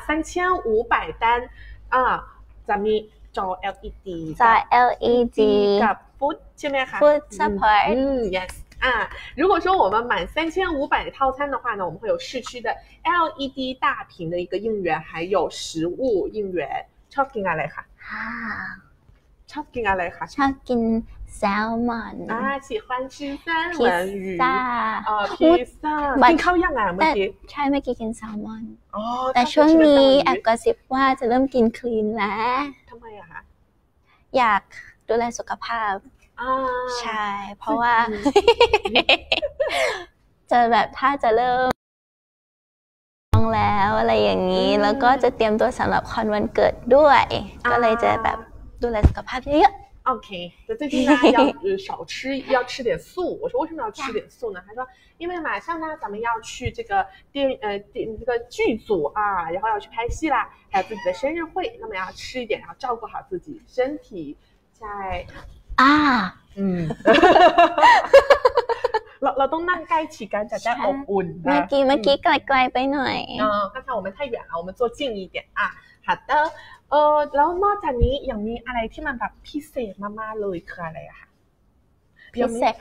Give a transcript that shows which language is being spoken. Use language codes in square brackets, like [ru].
[th] 3,500ตันจะมีจอ LED จอ LED กับฟู้ดใช่ไหมคะ ฟู้ดซัพพอร์ต [zh] yes如果说我们满3500套餐的话呢我们会有市区的 LED 大屏的一个应援还有食物应援 [th] ชอบกินอะไรคะชอบกินอะไรคะ ชอบกินแซลมอน [zh] 喜欢吃三文鱼披萨 [th] 披萨กินข้าวยังอ่ะเมื่อกี้ ใช่เมื่อกี้กินแซลมอนแต่ช่วงนี้แอบกระซิบว่าจะเริ่มกินคลีนแล้ว ทำไมอ่ะคะ อยากดูแลสุขภาพใช่เพราะว่าจะแบบถ้าจะเริ่มแล้วอะไรอย่างนี้แล้วก็จะเตรียมตัวสำหรับคอนวันเกิดด้วยก็เลยจะแบบดูแลสุขภาพเยอะ [zh] ๆโอเคแต่最近呢要少吃要吃点素我说为什么要吃点素呢他说因为马上呢咱们要去这个电这个剧组啊然后要去拍戏啦还有自己的生日会那么要吃一点要照顾好自己身体在啊 [th] เราต้องนั่งใกล้ฉีกันจะได้อบอุ่น เมื่อกี้ไกลๆไปหน่อย ก็ถ้าเราไม่ถ่ายแล้วเราจะจิ้งอีกเดี๋ยวอ่ะค่ะแล้วนอกจากนี้ยังมีอะไรที่มันแบบพิเศษมากๆเลยคืออะไรคะ พิเศษ